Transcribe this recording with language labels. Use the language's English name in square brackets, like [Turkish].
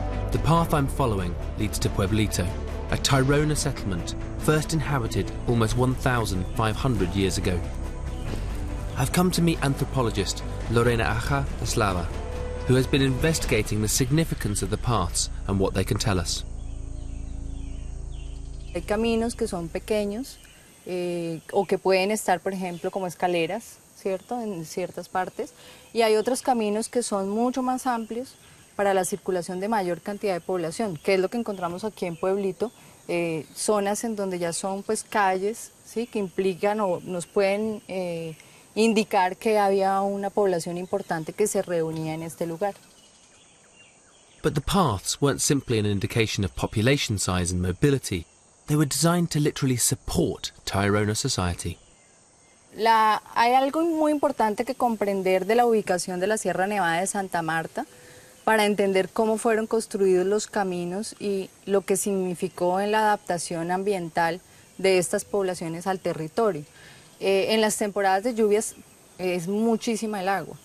[English] The path I'm following leads to Pueblito, a Tairona settlement first inhabited almost 1,500 years ago. I've come to meet anthropologist Lorena Aja Eslava, who has been investigating the significance of the paths and what they can tell us. [Spanish] Hay caminos que son pequeños o que pueden estar, por ejemplo, como escaleras, cierto, en ciertas partes, y hay otros caminos que son mucho más amplios para la circulación de mayor cantidad de población, que es lo que encontramos aquí en Pueblito. Zonas en donde ya son pues calles, ¿sí? Que implican o nos pueden indicar que había una población importante que se reunía en este lugar. [English] But the paths weren't simply an indication of population size and mobility. They were designed to literally support Tairona society. [Spanish] Hay algo muy importante que comprender de la ubicación de la Sierra Nevada de Santa Marta para entender cómo fueron construidos los caminos y lo que significó en la adaptación ambiental de estas poblaciones al territorio. En las temporadas de lluvias es muchísima el agua.